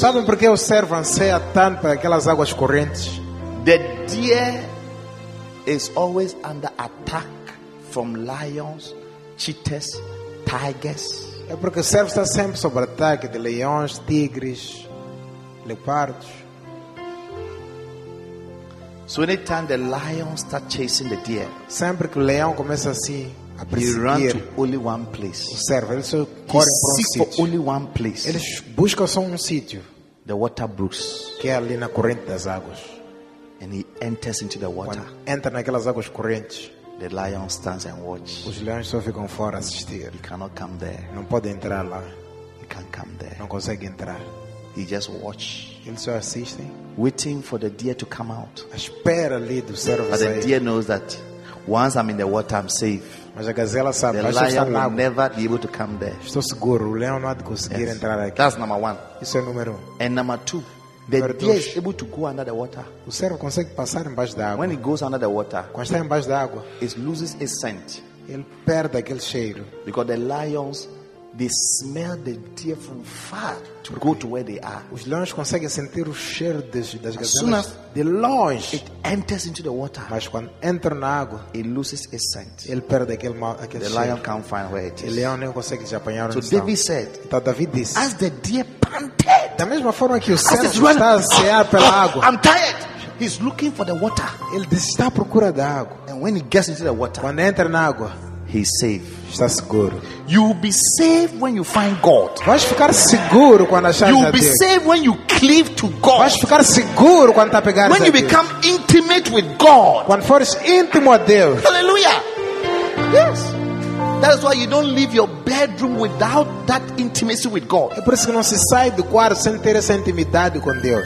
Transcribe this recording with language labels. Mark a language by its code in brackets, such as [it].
[pt] Sabem por que o servo anseia tanto para aquelas águas correntes? [en] The deer is always under attack from lions, cheetahs, tigers. [pt] É porque o servo está sempre sob ataque de leões, tigres, leopardos. [en] So anytime the lion start chasing the deer, [pt] sempre que o leão começa assim. [en] He runs to only one place. [pt] O servo, ele só corre para um sítio. [en] Only one place. [pt] Ele busca só um sítio. [en] the water brooks. [pt] Que ali na corrente das águas. [en] And he enters into the water. [pt] Entra naquelas águas correntes. [en] The lion stands and watches. [pt] Os leões só ficam fora assistir. [en] He cannot come there. [pt] Não pode entrar lá. [en] He can't come there. [pt] Não consegue entrar. [en] He just watches. [pt] Ele só assiste. [en] Waiting for the deer to come out. [pt] Espera ali do cervo sair. [en] But the deer knows that once I'm in the water, I'm safe. [pt] Mas a gazela sabe, [en] the lion will never be able to come there. [pt] Estou seguro, o leão não há de conseguir entrar aqui. [en] That's number one. [pt] Isso é número um. [en] And number two, the [pt] número [en] deer [pt] dois. [en] Is able to go under the water. [pt] O cervo consegue passar embaixo da água. [en] When it goes under the water, [pt] quando está embaixo da água, [en] it loses its scent. [pt] Ele perde aquele cheiro. [en] Because the lions, they smell the deer from far to go to where they are. [pt] Os leões conseguem sentir o cheiro das gazelas. [en] As soon as the lion it enters into the water, [pt] mas quando entra na água, [en] it loses its scent. [pt] Ele perde aquele [en] the [pt] cheiro. [en] Lion can't find where it is. [pt] O leão não consegue se apanhar. [en] So David said, [pt] então David disse, [en] as the deer panted, [pt] da mesma forma que o cervo está a cear pela água. [en] I'm tired. He's looking for the water. [pt] Ele está à procura da água. [en] And when he gets into the water, [pt] quando entra na água, [en] he's safe. [pt] Está seguro. [en] You'll be safe when you find God. [pt] Vais ficar seguro quando achar [en] Deus. You'll be safe when you cleave to God. [pt] Vais ficar seguro quando te apegares a Deus. [en] When you become intimate with God. [pt] Quando fores íntimo a Deus. [en] Hallelujah. Yes. That is why you don't leave your bedroom without that intimacy with God. [pt] É por isso que não se sai do quarto sem ter essa intimidade com Deus.